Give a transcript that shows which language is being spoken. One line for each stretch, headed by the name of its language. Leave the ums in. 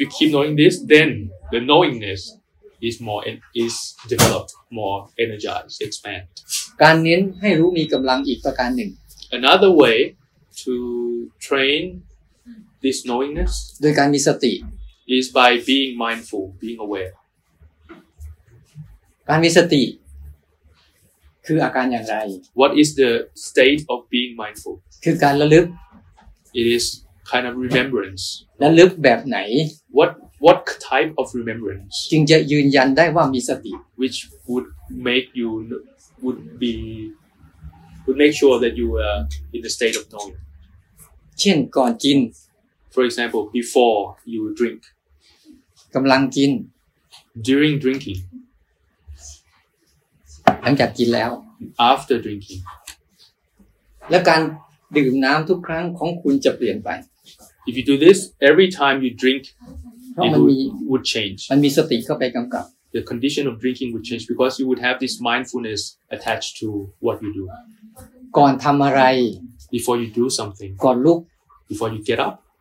English: you keep knowing this, then the knowingness is more and is developed, more energized, expand.
Thai: การเน้นให้รู้มีกำลังอีก ประการหนึ่ง
English: Another way to train this knowingness
Thai: โดยการมีสติ
English: is by being mindful, being aware.
Thai: การมีสติคืออาการอย่างไร
English: What is the state of being mindful
Thai: คือการระลึก
English: It is kind of remembrance
Thai: ระลึกแบบไหน
English: What What type of remembrance
Thai: จึงจะยืนยันได้ว่ามีสติ
English: Which would make you would be would make sure that you are in the state of knowing
Thai: เช่นก่อนกิน
English: For example before you drink
Thai: กำลังกิน
English: During drinking
Thai: หลังจากกินแล้ว
English: after drinking
Thai: และการดื่มน้ำทุกครั้งของคุณจะเปลี่ยนไป
English: if you do this every time you drink it would, would change
Thai: มันมีสติเข้าไปกำกับ
English: the condition of drinking would change because you would have this mindfulness attached to what you do
Thai: ก่อนทำอะไร
English: before you do something
Thai: ก่อนลุก
English: before you get up